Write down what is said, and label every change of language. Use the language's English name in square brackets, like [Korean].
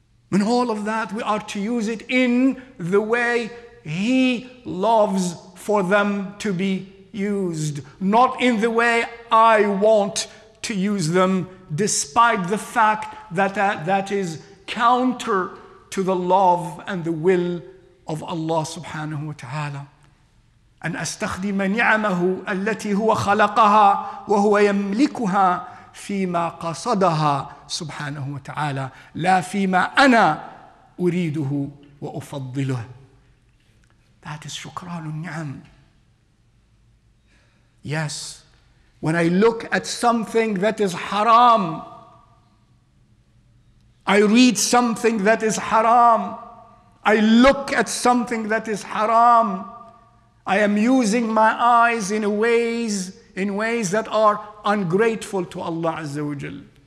[English] And all of that, we are to use it in the way He loves for them to be used. Not in the way I want to use them, despite the fact that that is counter to the love and the will of Allah subhanahu wa ta'ala. [Arabic] أن أستخدم نعمه التي هو خلقها وهو يملكها فيما قصدها سبحانه وتعالى لا فيما أنا أريده وأفضله. [English] That is [Arabic] شكران النعم. [English] Yes, when I look at something that is haram, I read something that is haram, I look at something that is haram, I am using my eyes in ways that are ungrateful to Allah Azza wa Jal.